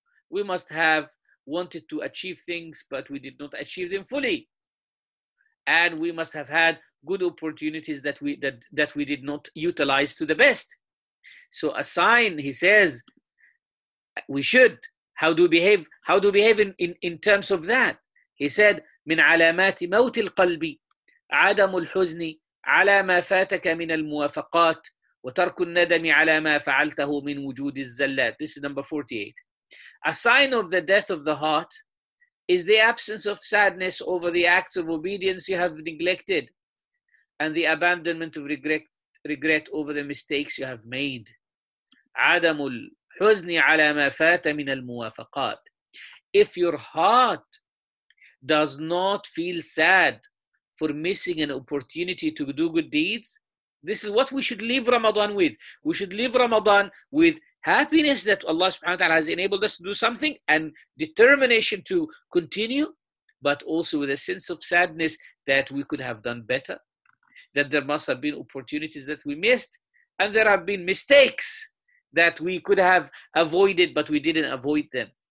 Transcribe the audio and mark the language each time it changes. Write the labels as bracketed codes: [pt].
[en] We must have wanted to achieve things, but we did not achieve them fully. And we must have had good opportunities that we did not utilize to the best. So a sign, he says, we should. How do we behave? How do we behave in terms of that? He said, [ar] من علامات موت القلب عدم الحزن على ما فاتك من الموافقات وترك الندم على ما فعلته من وجود الزلات. [en] This is number 48. A sign of the death of the heart is the absence of sadness over the acts of obedience you have neglected, and the abandonment of regret over the mistakes you have made. [ar] عدم الحزن على ما فات من الموافقات. [en] If your heart does not feel sad for missing an opportunity to do good deeds, this is what we should leave Ramadan with. We should leave Ramadan with happiness that Allah subhanahu wa ta'ala has enabled us to do something, and determination to continue, but also with a sense of sadness that we could have done better, that there must have been opportunities that we missed, and there have been mistakes that we could have avoided, but we didn't avoid them.